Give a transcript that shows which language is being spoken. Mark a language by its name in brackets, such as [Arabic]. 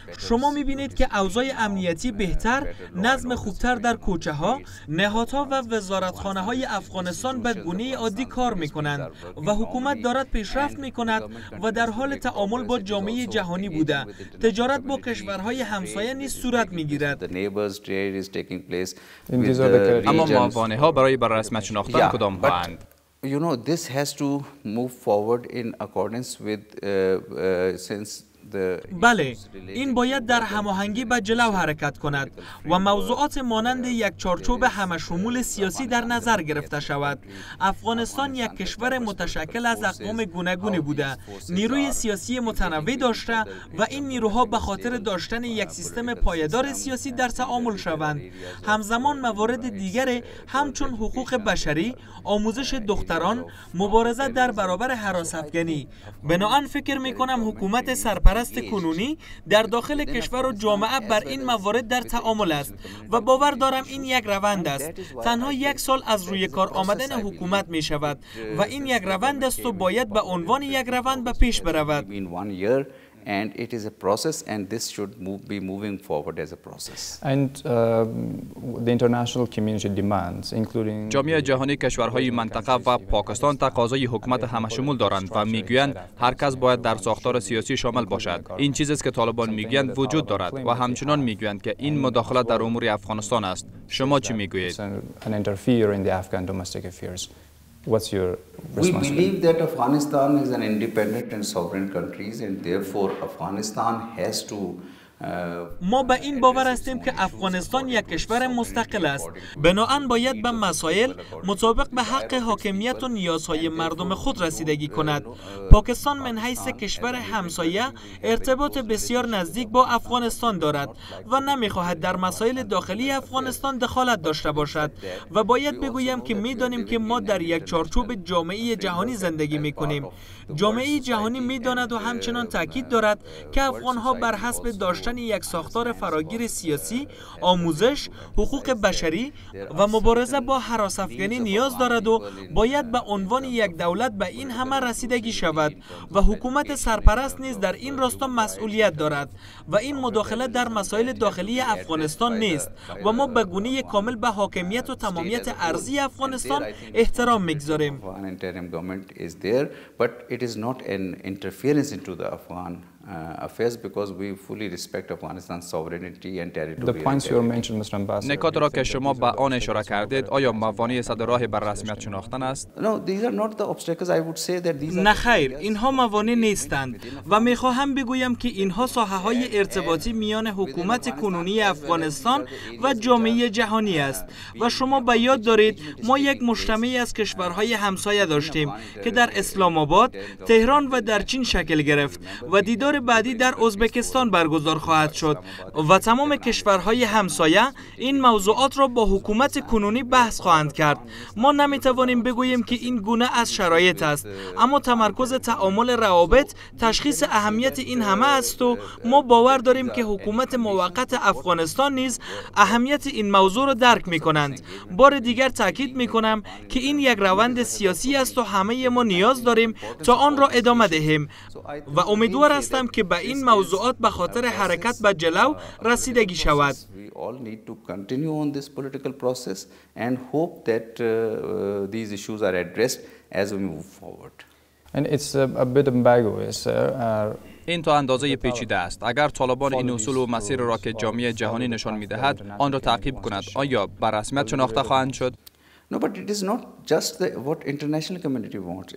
[Persian] شما میبینید که اوضاع امنیتی بهتر، نظم خوبتر در کوچه ها، نهادها و وزارتخانه های افغانستان به گونه عادی کار میکنند و حکومت دارد پیشرفت میکند و در حال تعامل با جامعه جهانی بوده. تجارت با کشورهای همسایه نیز صورت میگیرد. اما موانع ها برای بر رسمیت شناختن کدام هستند؟ [English] You know, this has to move forward in accordance with [Persian] بله، این باید در هماهنگی به جلو حرکت کند و موضوعات مانند یک چارچوب همشمول سیاسی در نظر گرفته شود. افغانستان یک کشور متشکل از اقوام گوناگونی بوده، نیروی سیاسی متنوع داشته و این نیروها به خاطر داشتن یک سیستم پایدار سیاسی در تعامل شوند. همزمان موارد دیگر همچون حقوق بشری، آموزش دختران، مبارزه در برابر هراس افغانی. بنابراین فکر میکنم حکومت سرپرست کنونی در داخل کشور و جامعه بر این موارد در تعامل است و باور دارم این یک روند است. تنها یک سال از روی کار آمدن حکومت می شود و این یک روند است و باید به عنوان یک روند به پیش برود. [English] And it is a process, and this should be moving forward as a process. And the international community demands, including. [Persian] جامعه جهانی، کشورهای منطقه و پاکستان تقاضای حکومت همشمول دارند و میگویند هر کس باید در ساختار سیاسی شامل باشد. این چیزی است که طالبان میگویند وجود دارد و همچنان میگویند که این مداخله در امور افغانستان است. شما چی میگویید؟ [English] An interfere in the Afghan domestic affairs. What's your response? We believe that Afghanistan is an independent and sovereign country, and therefore Afghanistan has to [Persian] ما به این باور هستیم که افغانستان یک کشور مستقل است. بنابراین باید به مسائل مطابق به حق حاکمیت و نیازهای مردم خود رسیدگی کند. پاکستان من حیث کشور همسایه ارتباط بسیار نزدیک با افغانستان دارد و نمیخواهد در مسائل داخلی افغانستان دخالت داشته باشد و باید بگویم که میدانیم که ما در یک چارچوب جامعه جهانی زندگی میکنیم. جامعه جهانی میداند و همچنان تاکید دارد که افغانها بر حسب داشتن یک ساختار فراگیر سیاسی، آموزش، حقوق بشری و مبارزه با هراس افغانی نیاز دارد و باید به عنوان یک دولت به این همه رسیدگی شود و حکومت سرپرست نیز در این راستا مسئولیت دارد و این مداخله در مسائل داخلی افغانستان نیست و ما به گونه کامل به حاکمیت و تمامیت ارضی افغانستان احترام میگذاریم. [English] It is not an interference into the Afghan affairs because we fully respect Afghanistan's sovereignty and territory. The points you mentioned, Mr. Ambassador. [Persian] نکات را که شما به آن اشاره کردید، آیا موانع صد راه بر رسمیت شناختن است؟ [English] No, these are not the obstacles. I would say that these are. [Persian] نه خیر، اینها موانع نیستند و می خواهم بگویم که اینها ساحه‌های ارتباطی میان حکومت کنونی افغانستان و جامعه جهانی است و شما به یاد دارید ما یک مجتمعی از کشورهای همسایه داشتیم که در اسلام آباد، تهران و در چین شکل گرفت و دیدار بعدی در ازبکستان برگزار خواهد شد و تمام کشورهای همسایه این موضوعات را با حکومت کنونی بحث خواهند کرد. ما نمی توانیم بگوییم که این گونه از شرایط است، اما تمرکز تعامل روابط تشخیص اهمیت این همه است و ما باور داریم که حکومت موقت افغانستان نیز اهمیت این موضوع را درک می کنند. بار دیگر تاکید می کنم که این یک روند سیاسی است و همه ما نیاز داریم تا آن را ادامه دهیم و امیدوار هستم که به این موضوعات به خاطر حرکت به جلو رسیدگی شود. [English] All need to continue on this political process and hope that these issues are addressed as we move forward. [Persian] این تا اندازه پیچیده است. اگر طالبان این اصول و مسیر را که جامعه جهانی نشان می‌دهد، آن را تعقیب کند، آیا به رسمیت شناخته خواهند شد؟ [English] No, but it is not just the, what international community wants.